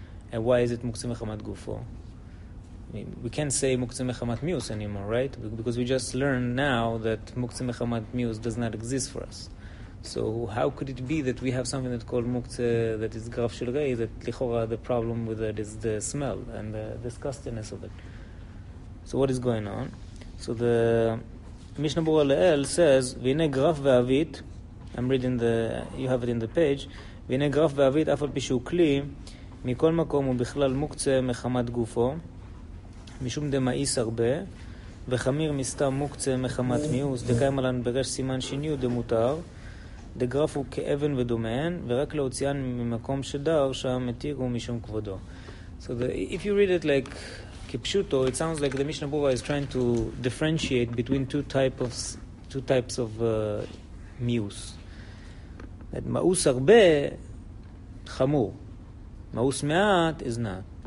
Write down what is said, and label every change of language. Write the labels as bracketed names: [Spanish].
[English] And why is it Mukzeh Mechamat Gufo? We can't say Mukzeh Mechamat Mius anymore, right? Because we just learned now that Mukzeh Mechamat Mius does not exist for us. So how could it be that we have something that's called Mukzeh, that is Graf Shel Rei, that Lichora, the problem with it is the smell and the disgustiness of it. So what is going on? So the Mishnah Berurah Le'el says, [Hebrew] V'ine Graf Ve'avit, [English] I'm reading the, you have it in the page, [Hebrew] V'ine Graf Ve'avit Afal Pishu Kli, מכל מקום הוא בכלל מוקצה מחמת גופו, משום דמאיס הרבה, וחמיר מסתם מוקצה מחמת מיוס, דקיים עלן ברש סימן שני ודמותר, דגרף הוא כאבן ודומיין, ורק להוציאן ממקום שדר, שם מתיר הוא משום כבודו. [English] So if you read it like כפשוטו, it sounds like the Mishnah Berurah is trying to differentiate between two types of מיוס. [Hebrew] מאוס הרבה, חמור. Maus me'at [English] is not.